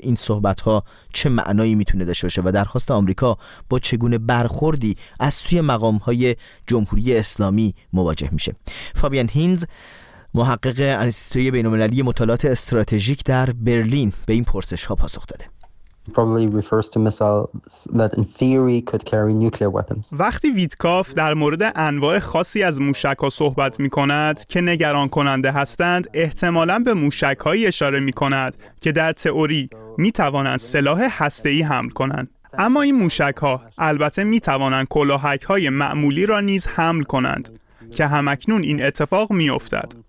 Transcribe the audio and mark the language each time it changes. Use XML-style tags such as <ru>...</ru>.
<fa>این صحبت‌ها چه معنایی می‌تونه داشته باشه و درخواست آمریکا با چگونه برخوردی از سوی مقام‌های جمهوری اسلامی مواجه میشه؟ فابیان هینز، محقق انستیتوی بین‌المللی مطالعات استراتژیک در برلین، به این پرسش‌ها پاسخ داده.</fa> <en>Probably refers to missiles that in theory could carry nuclear weapons.</en> <fa>وقتی ویتکاف در مورد انواع خاصی از موشک‌ها صحبت می‌کند که نگران کننده هستند، احتمالاً به موشک‌هایی اشاره می‌کند که در تئوری می‌توانند سلاح هسته‌ای حمل کنند. اما این موشک‌ها البته می‌توانند کلاهک‌های معمولی را نیز حمل کنند که هم‌اکنون این اتفاق می‌افتد.</fa>